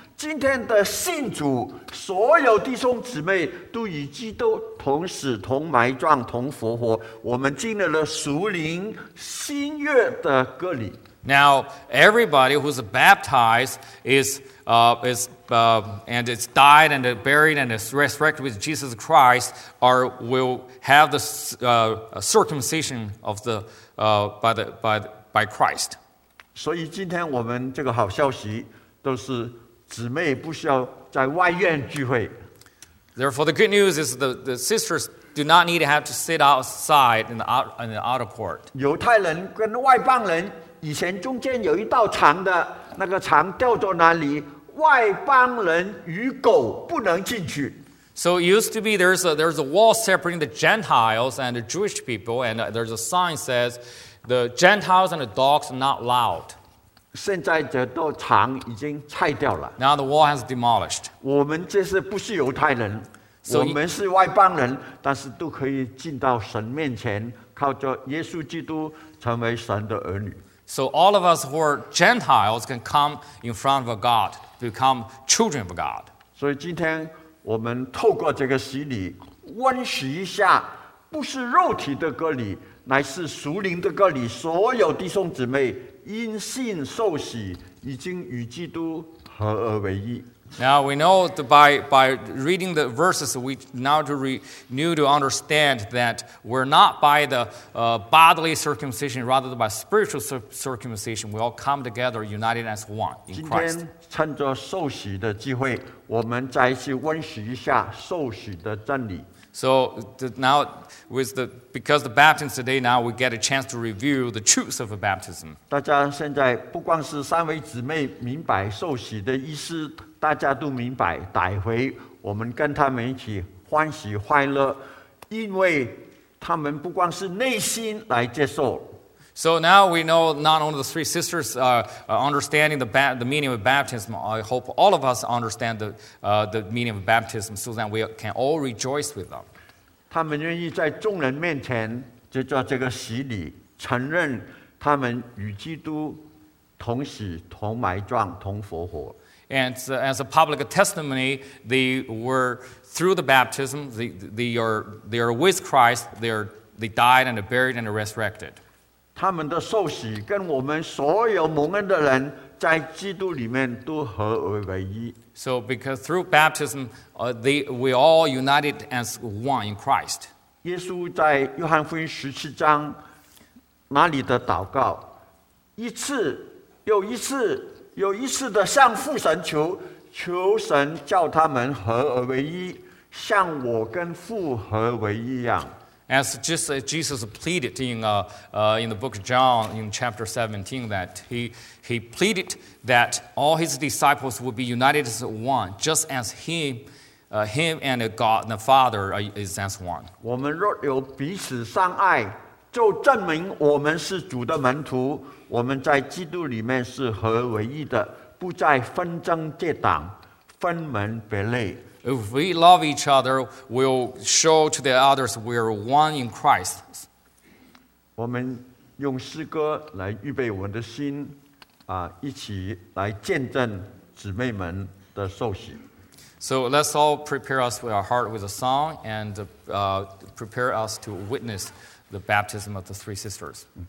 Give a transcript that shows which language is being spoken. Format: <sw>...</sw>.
<zh>今天的信主，所有弟兄姊妹都与基督同死、同埋葬、同复活，我们经历了属灵新约的割礼。</zh> <en>Now everybody who's baptized and is died and buried and is resurrected with Jesus Christ are will have the circumcision of the by Christ.</en> <zh>所以今天我们这个好消息都是。姊妹不需要在外院聚会。</zh> <en>Therefore, the good news is the sisters do not need to have to sit outside in the outer court.</en> <zh>犹太人跟外邦人以前中间有一道墙的，那个墙掉到哪里，外邦人与狗不能进去。</zh> <en>So it used to be there's a wall separating the Gentiles and the Jewish people, and there's a sign says the Gentiles and the dogs are not allowed.</en> <zh>现在这道墙已经拆掉了。</zh> <en>Now the wall has demolished.</en> <zh>我们这是不是犹太人？</zh> <en>So,</en> <zh>我们是外邦人，但是都可以进到神面前，靠着耶稣基督成为神的儿女。</zh> <en>So all of us who are Gentiles can come in front of God, become children of God.</en> <zh>所以今天我们透过这个洗礼温习一下，不是肉体的割礼，乃是属灵的割礼。所有弟兄姊妹因信受洗，已经与基督合而为一。</zh> <en>Now we know that by reading the verses, we now to renew to understand that we're not by the bodily circumcision, rather than by spiritual circumcision. We all come together, united as one in Christ.</en> <zh>今天趁着受洗的机会，我们再一起温习一下受洗的真理。</zh> <en>So now, because the baptism today, now we get a chance to review the truths of a baptism.</en> <zh>大家现在不光是三位姊妹明白受洗的意思。大家都明白，待会我们跟他们一起欢喜快乐，因为他们不光是内心来接受。</zh> <en>So now we know not only the three sisters understanding the meaning of baptism. I hope all of us understand the meaning of baptism, so that we can all rejoice with them.</en> <zh>他们愿意在众人面前接受这个洗礼，承认他们与基督同死同埋葬同复活。</zh> <en>And as a public testimony, they were through the baptism. They are with Christ. They died and are buried and are resurrected.</en> <zh>他们的受洗跟我们所有蒙恩的人在基督里面都合而为一。</zh> <en>So because through baptism, we all united as one in Christ.</en> <zh>耶稣在约翰福音十七章那里的祷告，一次又一次。有一次的向父神求，求神叫他们合而为一，像我跟父合为一样。</zh> <en>As just as Jesus pleaded in the book of John in chapter 17, that he pleaded that all his disciples would be united as one, just as him and God the Father is as one.</en> <zh>我们若有彼此相爱，就证明我们是主的门徒。我们在基督里面是合为一的，不再纷争结党，分门别类。</zh> <en>If we love each other, we'll show to the others we are one in Christ.</en> <zh>我们用诗歌来预备我们的心，一起来见证姊妹们的受洗。</zh> <en>So let's all prepare us with our heart with a song and prepare us to witness the baptism of the three sisters.</en>